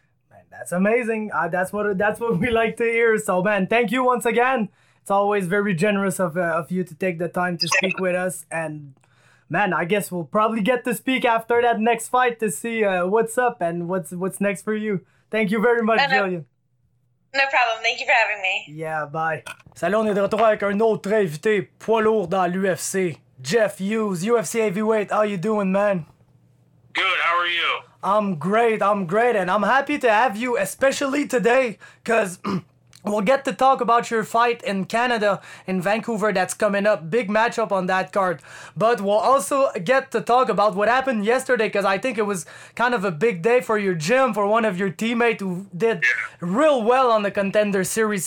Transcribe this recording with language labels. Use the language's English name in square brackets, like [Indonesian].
[English] Man, that's amazing. That's what we like to hear. So, man, thank you once again. It's always very generous of you to take the time to speak with us. And man, I guess we'll probably get to speak after that next fight to see what's up and what's next for you. Thank you very much, No Jillian. problem. Thank you for having me. Yeah, bye. [French] Salut, on est de retour avec un autre invité poids lourd dans l'UFC, Jeff Hughes, UFC heavyweight. [English] How you doing, man? Good, how are you? I'm great, and I'm happy to have you, especially today, 'cause we'll get to talk about your fight in Canada, in Vancouver, that's coming up. Big matchup on that card. But we'll also get to talk about what happened yesterday, because I think it was kind of a big day for your gym, for one of your teammates who did real well on the Contender Series.